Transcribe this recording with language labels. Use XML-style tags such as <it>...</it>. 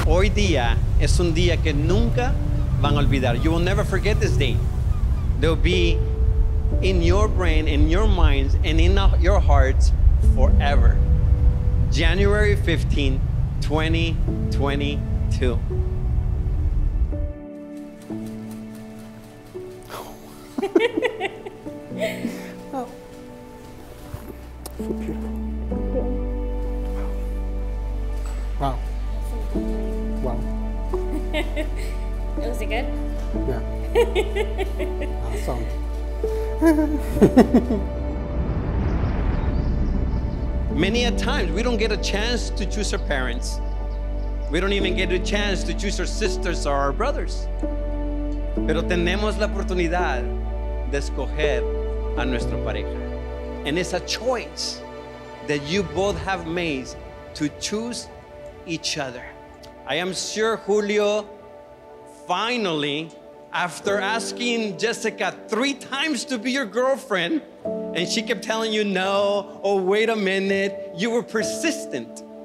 <es>día es un día que nunca van a olvidar.</es> <en>You will never forget this day. They'll be in your brain, in your minds, and in your hearts forever. January 15, 2022. Oh. Wow. Wow. Was it good? Yeah. Awesome. Many a times we don't get a chance to choose our parents. We don't even get a chance to choose our sisters or our brothers.</en> <es>Pero tenemos la oportunidad de escoger a nuestra pareja.</es> <en>And it's a choice that you both have made to choose each other. I am sure Julio, finally, after asking Jessica 3 times to be your girlfriend, and she kept telling you no, or wait a minute, you were persistent.</en>